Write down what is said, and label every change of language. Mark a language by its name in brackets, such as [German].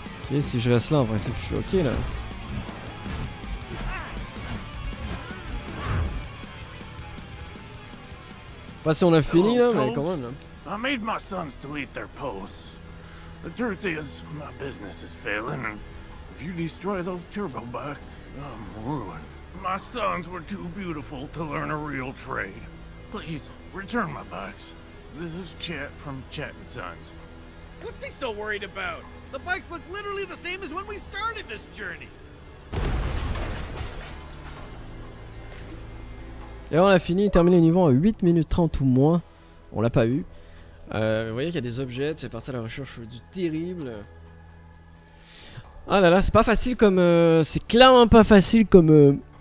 [French] Ok, si je reste là, en principe, je suis ok là. Pas si on a fini là, mais quand même là. [English] I made my sons delete their posts. The truth is, my business is failing, and if you destroy those turbo bikes, I'm ruined. My sons were too beautiful to learn a real trade. Please, return my bikes. This is Chet from Chet and Sons. What's he so worried about? The bikes look literally the same as when we started this journey. [French] Et on a fini, terminé le niveau en 8 minutes 30 ou moins. On l'a pas eu. Vous voyez qu'il y a des objets, tu fais partie de la recherche du terrible. Ah là là, c'est pas facile comme... c'est clairement pas facile comme...